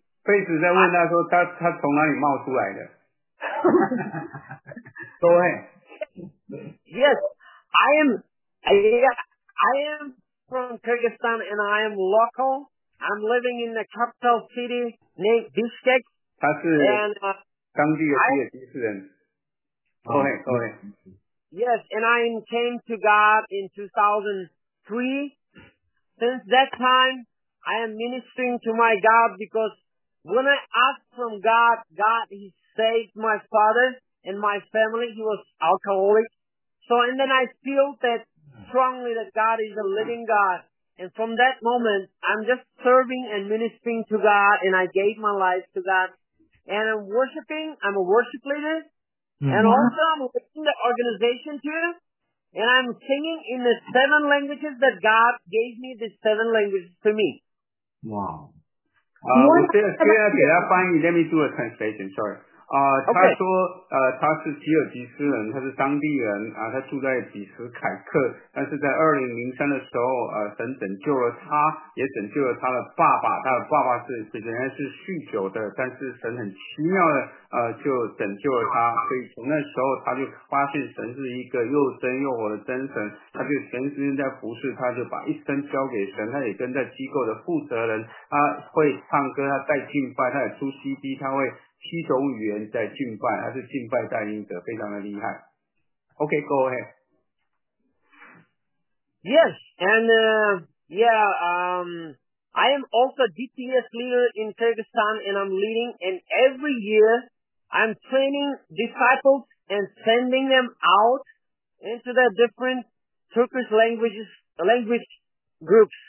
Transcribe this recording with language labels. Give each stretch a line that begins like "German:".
Chinese: 贝子在问他说他从哪里冒出来的。
English: Go ahead. Yes, I am from Kyrgyzstan and I am local. I'm living in the capital city named Bishkek.
Chinese: 他是当地吉尔吉斯人。
English: Go ahead. Yes, and I came to God in 2003. Since that time,I am ministering to my God because when I asked from God, God, he saved my father and my family. He was alcoholic. So, and then I feel that strongly that God is a living God. And from that moment, I'm just serving and ministering to God. And I gave my life to God. And I'm worshiping. I'm a worship leader. Mm-hmm. And also I'm leading the organization too. And I'm singing in the seven languages that God gave me, the seven languages to me.
Chinese: 哇、
English: wow.
Chinese: 我现在给他翻译
English: Let me do a translation, sorry、 okay.
Chinese: 他说、他是吉尔吉斯人，他是当地人、他住在比什凯克，但是在2003的时候、神拯救了他，也拯救了他的爸爸，他的爸爸是原来是酗酒的，但是神很奇妙的、就拯救了他，所以从那时候他就发现神是一个又真又活的真神，他就全身在服侍，他就把一生交给神，他也跟在机构的负责人，他会唱歌，他带敬拜，他也出 CD, 他会七种语言在敬拜，他是敬拜带领者，非常的厉害。
English: OK, go ahead. Yes, and I am also DTS leader in Kyrgyzstan and I'm leading and every year I'm training disciples and sending them out into the different Turkish languages, language groups.